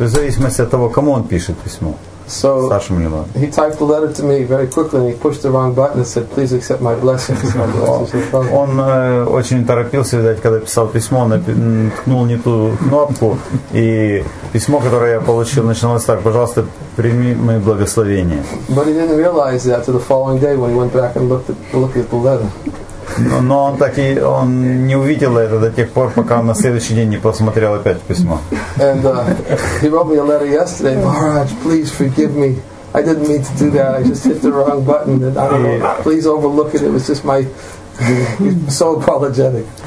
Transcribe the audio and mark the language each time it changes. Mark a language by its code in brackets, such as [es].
[ru] То есть в зависимости от того, кому он пишет письмо. [en] So he typed a letter to me very quickly and he pushed the wrong button and said, please accept my blessings. [ru] Он очень торопился, видать, когда писал письмо, он ткнул не ту кнопку, и письмо, которое я получил, начиналось так: пожалуйста, прими мои благословения. [en] But he didn't realize that until the following day when he went back and looked at the letter. [ru] Но он так и он не увидел это до тех пор, пока он на следующий день не посмотрел опять письмо. [en] And he wrote me a letter yesterday. Maharaj, please forgive me. I didn't mean to do that. I just hit the wrong button. And I don't know. Please overlook it. It was just my so apologetic.